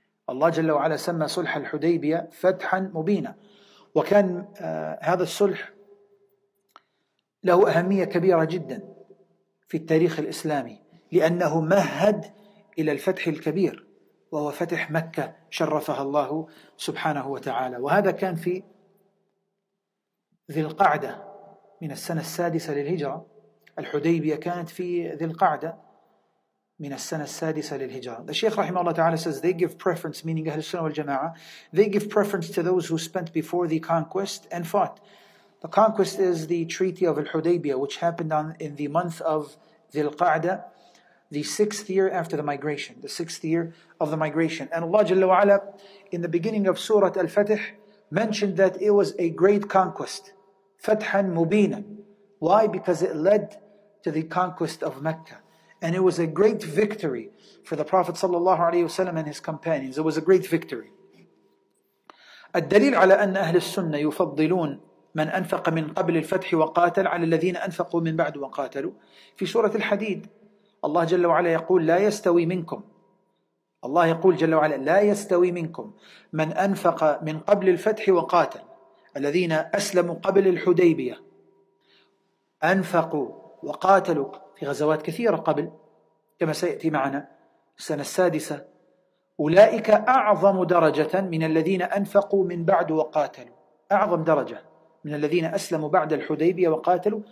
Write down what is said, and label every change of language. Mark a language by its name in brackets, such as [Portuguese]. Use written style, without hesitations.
[Arabic] الله جل وعلا سمى صلح الحديبية فتحا مبينا, وكان هذا الصلح له أهمية كبيرة جدا في التاريخ الإسلامي, لأنه مهد إلى الفتح الكبير وهو فتح مكة شرفها الله سبحانه وتعالى. وهذا كان في ذي القعدة من السنة السادسة للهجرة. الحديبية كانت في ذي القعدة من السنة السادسة للهجرة. [English] The Sheikh [Arabic] رحمه الله تعالى [English] says they give preference, meaning [Arabic] أهل السنة والجماعة, [English] they give preference to those who spent before the conquest and fought. The conquest is the treaty of al-Hudaybiyah, which happened in the month of ذي القعدة, the sixth year after the migration, the sixth year of the migration. And Allah [Arabic] جل وعلا [English] in the beginning of Surah Al-Fatih mentioned that it was a great conquest, [Arabic] فتحاً مبيناً. [English] Why? Because it led to the conquest of Mecca. And it was a great victory for the Prophet [Arabic] صلى الله عليه وسلم [English] and his companions. It was a great victory. [Arabic] الدليل على أن أهل السنة يفضلون من أنفق من قبل الفتح وقاتل على الذين أنفقوا من بعد وقاتلوا في سورة الحديد. الله جل وعلا يقول لا يستوي منكم, الله يقول جل وعلا لا يستوي منكم من أنفق من قبل الفتح وقاتل الذين أسلموا قبل الحديبية, أنفقوا وقاتلوا في غزوات كثيرة قبل كما سيأتي معنا السنة السادسة, أولئك أعظم درجة من الذين أنفقوا من بعد وقاتلوا, أعظم درجة من الذين أسلموا بعد الحديبية وقاتلوا.